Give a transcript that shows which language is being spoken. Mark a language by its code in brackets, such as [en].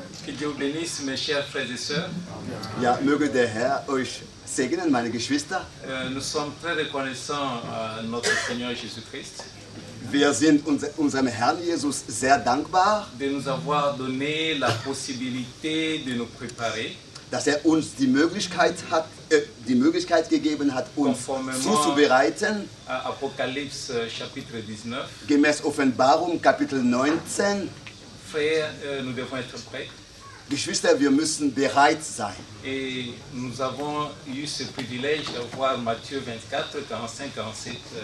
[fr] Que Dieu bénisse mes chers frères et sœurs. [de] Ja, möge der Herr euch segnen, meine Geschwister. [fr] Nous sommes très reconnaissants à notre Seigneur Jésus-Christ. [de] Wir sind unserem Herrn Jesus sehr dankbar. [fr] De nous avoir donné la possibilité de nous préparer. [de] Dass er uns die Möglichkeit hat, die Möglichkeit gegeben hat, uns zuzubereiten. [fr] Apocalypse chapitre 19. [de] Gemäß Offenbarung Kapitel 19. [fr] Nous devons être prêts. [de] Geschwister, wir müssen bereit sein. [fr] Et nous avons eu ce privilège de voir Matthieu 24, 45, 47.